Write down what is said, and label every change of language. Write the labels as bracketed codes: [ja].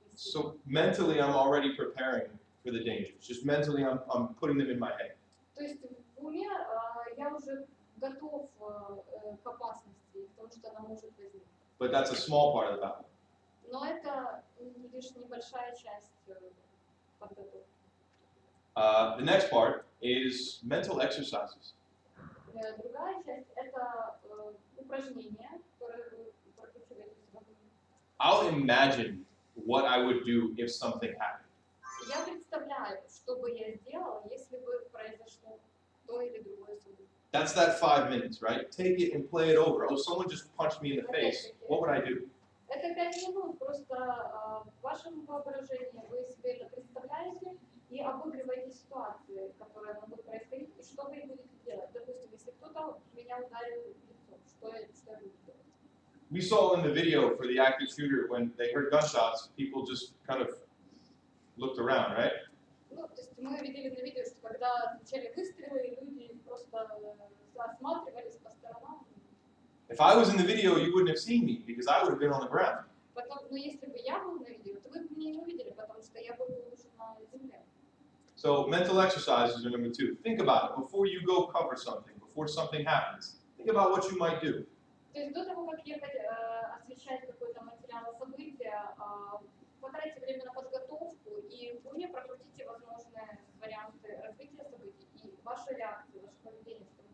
[en] So mentally I'm already preparing for the dangers. Just mentally I'm putting them in my head. [ru] То есть в уме я уже готов к опасности, к тому, что она может возникнуть. [en] But that's a small part of the battle. [ru] Но это лишь небольшая часть подготовки. [en] The next part is mental exercises. [ru] Другая часть — это упражнения, которые вы прокручиваете. [en] I'll imagine what I would do if something happened. [ru] Я представляю, что бы я сделал, если бы произошло то или другое событие. [en] That's that 5 minutes, right? Take it and play it over. Oh, someone just punched me in the face. What would I do? [ru] Это 5 минут просто в вашем воображении. Вы себе это представляете и обыгрываете ситуацию, которая может происходить, и что вы будете делать. Допустим, если кто-то меня ударил в лицо, что я буду делать? [en] We saw in the video for the active shooter, when they heard gunshots, people just kind of looked around, right? [ru] Ну, то есть мы видели на видео, что когда начали выстрелы, люди просто осматривались по сторонам. [en] If I was in the video, you wouldn't have seen me because I would have been on the ground. [ru] Но если бы я был на видео, то вы бы меня не увидели, потому что я был уже на земле. [en] So mental exercises are number two. Think about it before you go cover something, before something happens. Think about what you might do. [ru] То есть до того, как ехать освещать какой-то материал события, потратьте время на подготовку и в уме прокрутите возможные варианты развития событий и ваши реакции, ваше поведение.